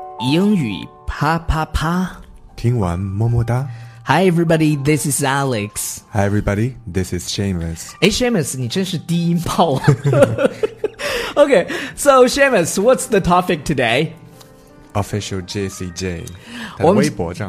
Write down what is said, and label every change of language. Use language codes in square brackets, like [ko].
[zh] 英语啪啪啪，听完么么哒。 [en] Hi everybody, this is Alex. Hi everybody, this is Seamus. [zh] Hey Seamus, 你真是低音炮。 [en] Okay, so Seamus, what's the topic today? [zh] Official JCJ 他的微博账号，